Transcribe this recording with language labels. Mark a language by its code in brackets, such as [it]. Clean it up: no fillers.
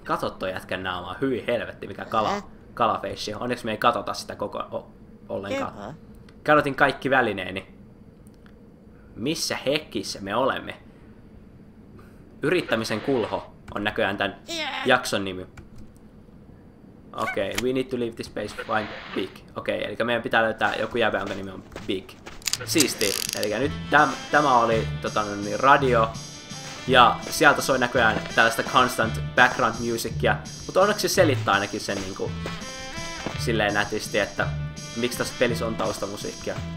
[fi] Kato toi jätkän naamaa. Hyi helvetti, mikä kalafeissi. Onneksi me ei katota sitä koko ollenkaan. Kadotin kaikki välineeni. Missä hekissä me olemme? Yrittämisen kulho on näköjään tän jakson nimi. Okei, [en] we need to leave this place find Big. [fi] Okei, eli meidän pitää löytää joku jäbä, jonka nimi on Big. Siisti. Eli nyt tämä oli radio. Ja sieltä soi näköjään tällaista constant background musicia. Mutta onneksi se selittää ainakin sen niinku silleen nätisti, että miksi tässä pelissä on taustamusiikkia.